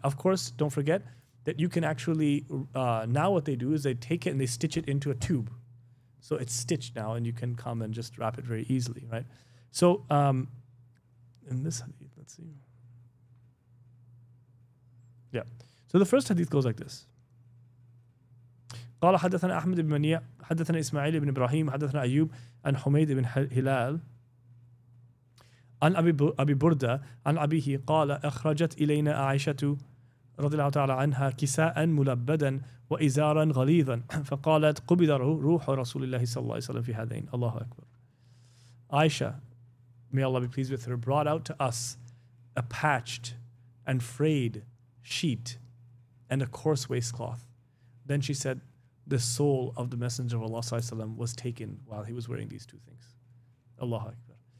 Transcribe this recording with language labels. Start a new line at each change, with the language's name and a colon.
English: Of course, don't forget that you can actually, now what they do is they take it and they stitch it into a tube. So it's stitched now and you can come and just wrap it very easily, right? So in this hadith, let's see. Yeah. So the first hadith goes like this.
Arabic: قال حدثنا أحمد بن منيع حدثنا إسماعيل بن إبراهيم حدثنا أيوب عن حميد بن هلال عن أبي بردة عن أبيه قال أخرجت إلينا عائشة رضي الله تعالى عنها كساء ملبدا وإزارا غليظا فقالت قبض روح رسول الله صلى الله عليه وسلم في هذين الله أكبر.
English: عائشة, may Allah be pleased with her, brought out to us a patched and frayed sheet and a coarse waistcloth. Then she said, the soul of the Messenger of Allah was taken while he was wearing these two things. Allahu Akbar.